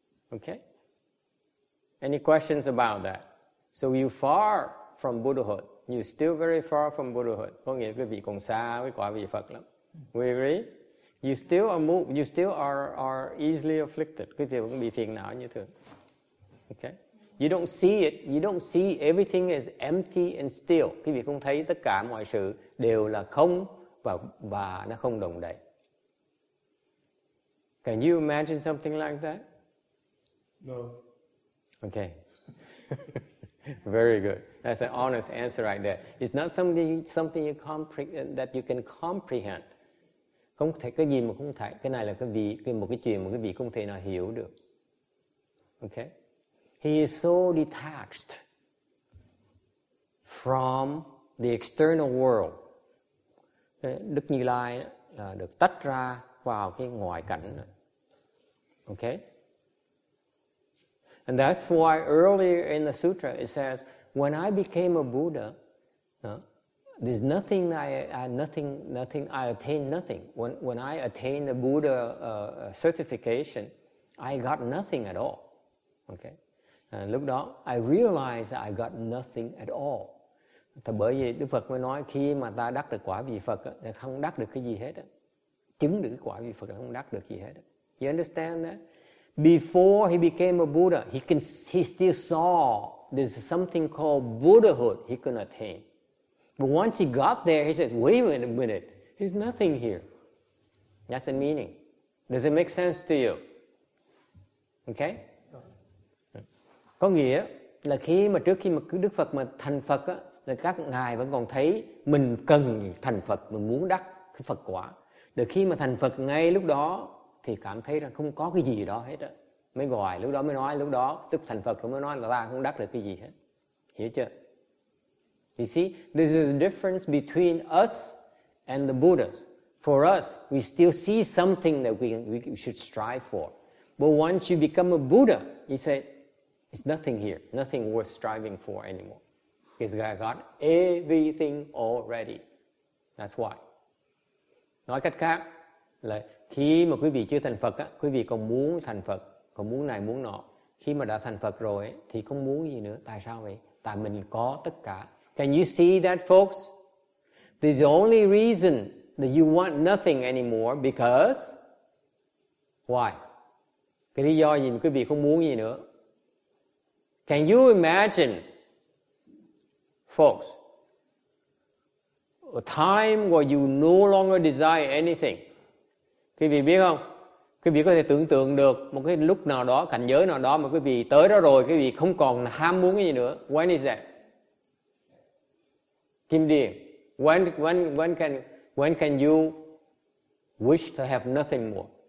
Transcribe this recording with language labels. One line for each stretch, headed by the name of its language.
English: Okay, any questions about that? So you far from Buddhahood. You're still very far from Buddhahood.
Vietnamese: Có nghĩa là quý vị còn xa với quả vị Phật lắm.
English: We agree? You still are easily afflicted.
Vietnamese: Quý vị vẫn bị phiền não như thường.
English: Okay? You don't see it. You don't see everything is empty and still.
Vietnamese: Quý vị không thấy tất cả mọi sự đều là không và nó không đồng đầy.
English: Can you imagine something like that? No. Okay. Very good. That's an honest answer right there. It's not something you that you can comprehend.
Vietnamese: Không thể cái gì mà không thể. Cái này là một cái chuyện mà quý vị không thể nào hiểu được.
English: Okay? He is so detached from the external world.
Vietnamese: Đức Như Lai là được tách ra vào cái ngoại cảnh.
English: Okay? And that's why earlier in the sutra it says, when I became a Buddha, there's nothing I attained nothing. When I attained the Buddha certification, I got nothing at all. Okay? And
Vietnamese: lúc đó,
English: I realized I got nothing at all.
Vietnamese: Thì bởi vì Đức Phật mới nói khi mà ta đắc được quả vị Phật thì không đắc được cái gì hết. Chứng được quả vị Phật không đắc được gì hết. You understand that? Before he became a Buddha, he still saw there's something called Buddhahood he could attain. But once he got there, he said, wait a minute, there's nothing here. That's the meaning. Does it make sense to you? Okay? Có nghĩa là khi mà trước khi mà Đức Phật mà thành Phật á, là các ngài vẫn còn thấy mình cần thành Phật, mình muốn đắc cái Phật quả. Được khi mà thành Phật ngay lúc đó, thì cảm thấy rằng không có cái gì đó hết á. Mới gọi, lúc đó mới nói, lúc đó tức thành Phật mới nói là ta không đắc được cái gì hết. Hiểu chưa?
English: You see, this is the difference between us and the Buddhas. For us, we still see something that we should strive for. But once you become a Buddha, you say, it's nothing here, nothing worth striving for anymore. Because I got everything already. That's why.
Vietnamese: Nói cách khác, là khi mà quý vị chưa thành Phật á, quý vị còn muốn thành Phật, còn muốn này muốn nọ. Khi mà đã thành Phật rồi thì không muốn gì nữa. Tại sao vậy? Tại mình có tất cả.
English: Can you see that, folks? This is the only reason that you want nothing anymore, because why?
Vietnamese: Cái lý do gì mà quý vị không muốn gì nữa?
English: Can you imagine, folks, a time where you no longer desire anything?
Vietnamese: Quý vị biết không? Quý vị có thể tưởng tượng được một cái lúc nào đó, cảnh giới nào đó mà quý vị tới đó rồi, quý vị không còn ham muốn cái gì nữa.
English: When is that? Kim Đi, when can you wish to have nothing more?